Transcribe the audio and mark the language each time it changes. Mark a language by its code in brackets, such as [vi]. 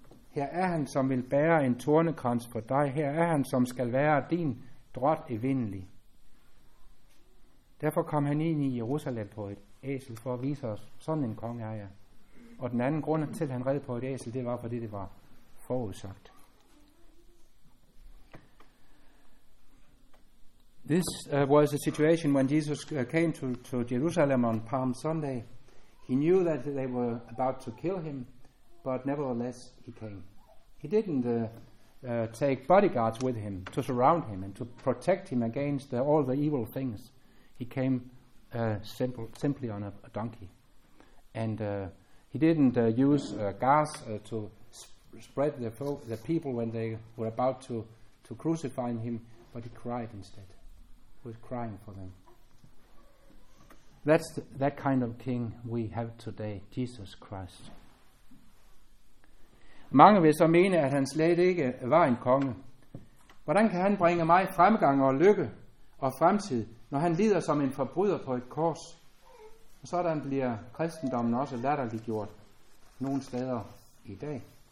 [da] Her er han, som vil bære en tornekrans på dig. Her er han, som skal være din drot evindelig. Derfor kom han ind i Jerusalem på et æsel for at vise os, sådan en konge er jeg. Og den anden grund til, at han red på et æsel, det var, fordi det var forudsagt. [en] This was a situation when Jesus came to Jerusalem on Palm Sunday. He knew that they were about to kill him, but nevertheless he came. He didn't take bodyguards with him to surround him and to protect him against all the evil things. He came simply on a donkey. And he didn't use gas to spread the people when they were about to crucify him, but he cried instead. He was crying for them. That's that kind of king we have today, Jesus Christ. [da] Mange vil så mene, at han slet ikke var en konge. Hvordan kan han bringe mig fremgang og lykke og fremtid, når han lider som en forbryder på et kors? Og sådan bliver kristendommen også latterliggjort nogle steder i dag.